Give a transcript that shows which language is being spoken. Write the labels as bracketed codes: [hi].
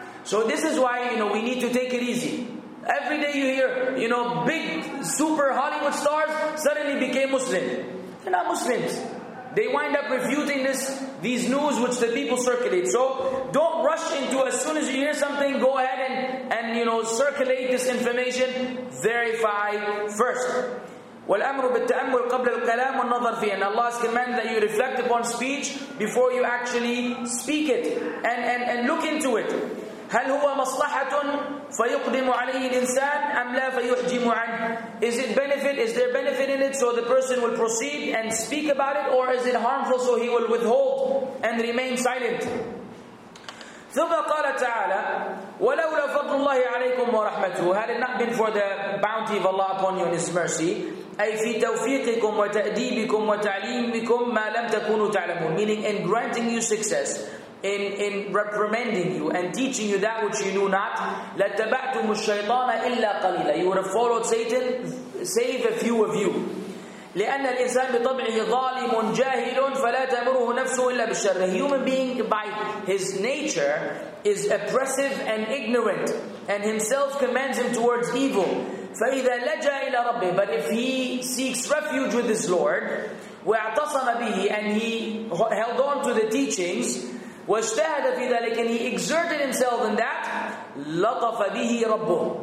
[en] So this is why, you know, we need to take it easy. Every day you hear, you know, big super Hollywood stars suddenly became Muslim. They're not Muslims. They wind up refuting these news which the people circulate. So don't rush into, as soon as you hear something, go ahead and you know, circulate this information. Verify first. [ar] والأمر بالتأمل قبل الكلام والنظر فيه. [en] And Allah has commanded that you reflect upon speech before you actually speak it and look into it. [ar] هل هو مصلحة فيقدم عليه الإنسان أم لا فيحجم عنه. [en] Is it benefit? Is there benefit in it so the person will proceed and speak about it, or is it harmful so he will withhold and remain silent? [ar] ثم قال تعالى ولولا فضل الله عليكم ورحمته. [en] Had it not been for the bounty of Allah upon you and His mercy. [ar] أي في توفيقكم وتأديبكم وتعليمكم ما لم تكونوا تعلمون. [en] Meaning in granting you success, in reprimanding you and teaching you that which you knew not. [ar] لتبعتم الشيطان إلا قليلا. [en] You would have followed Satan, save a few of you. [ar] لأن الإنسان بطبعه ظالم جاهل فلا تأمره نفسه إلا بالشر. [en] Human being by his nature is oppressive and ignorant, and himself commands him towards evil. [ar] فَإِذَا لَجَى إِلَى رَبِّهِ. [en] But if he seeks refuge with his Lord, [ar] وَاعْتَصَمَ بِهِ, [en] and he held on to the teachings, [ar] وَاجْتَهَدَ فِي ذَلِكَ, [en] and he exerted himself in that, [ar] لَطَفَ بِهِ رَبُّهُ.